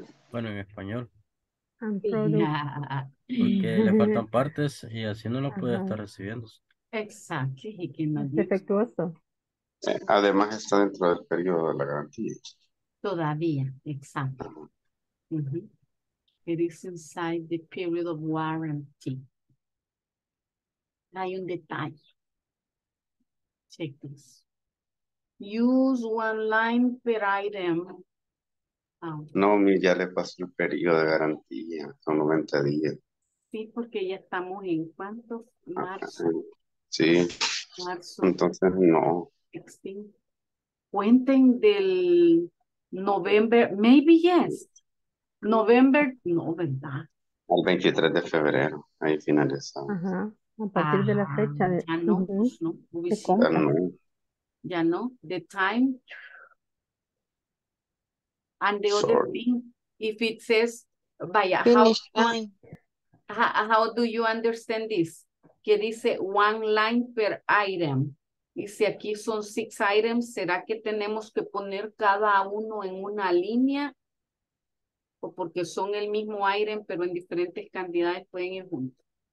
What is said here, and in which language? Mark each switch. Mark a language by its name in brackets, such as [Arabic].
[Spanish] Bueno, en español. [English] Yeah. [Spanish] Porque le faltan partes y así no lo puede estar recibiendo. Exacto. Defectuoso. Además está dentro del periodo de la garantía. Todavía, exacto. [English] Mm-hmm. It is inside the period of warranty. [Spanish] Hay un detalle. [English] Check this. Use one line per item. Oh. [Spanish] No, mi, ya le pasó el periodo de garantía. Son 90 días. Sí, porque ya estamos en ¿cuánto? Marzo. Sí. Marzo. Entonces, no. Sí. Cuenten del November. [English] Maybe yes. [Spanish] November. No, ¿verdad? El 23 de febrero. Ahí finalizamos. Ajá. A partir de la fecha de... Ya no, no. Ya no. [English] The time. And the other thing, if it says, vaya, how do you understand this? [Spanish] Que dice [English] one line per item. [Spanish] Y si aquí son [English] six items, [Spanish] ¿será que tenemos que poner cada uno en una línea? O porque son el mismo item, pero en diferentes cantidades pueden ir juntos.